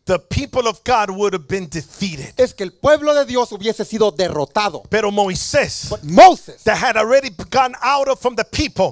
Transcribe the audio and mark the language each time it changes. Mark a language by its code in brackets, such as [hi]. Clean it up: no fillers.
[en] the people of God would have been defeated. [es] Es que el pueblo de Dios hubiese sido derrotado. Pero Moisés, [en] but Moses, that had already gone out of from the people,